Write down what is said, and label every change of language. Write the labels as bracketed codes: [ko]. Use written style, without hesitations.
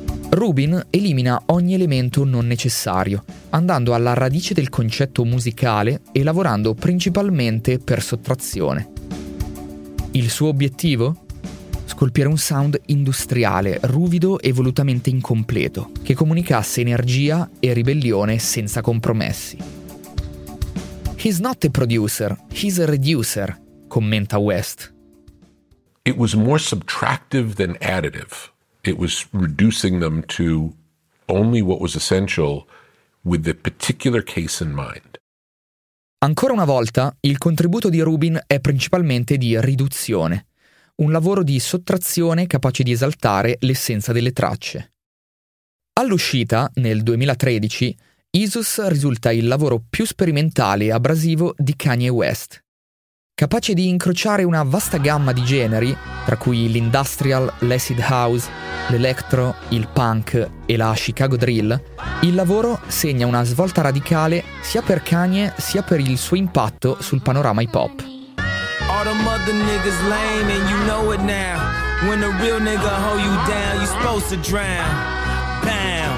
[it] Rubin elimina ogni elemento non necessario, andando alla radice del concetto musicale e lavorando principalmente per sottrazione. Il suo obiettivo? Scolpire un sound industriale, ruvido e volutamente incompleto, che comunicasse energia e ribellione senza compromessi. [en] «He's not a producer, he's a reducer», [it] commenta West. [en] It was more subtractive than additive. It was reducing them to only what was essential with the particular case in mind. [it] Ancora una volta, il contributo di Rubin è principalmente di riduzione, un lavoro di sottrazione capace di esaltare l'essenza delle tracce. All'uscita, nel 2013, Yeezus risulta il lavoro più sperimentale e abrasivo di Kanye West. Capace di incrociare una vasta gamma di generi, tra cui l'industrial, l'acid house, l'electro, il punk e la Chicago drill, il lavoro segna una svolta radicale sia per Kanye sia per il suo impatto sul panorama hip hop. [en] All the mother niggas lame and you know it now. When a real nigga hold you down, you're supposed to drown.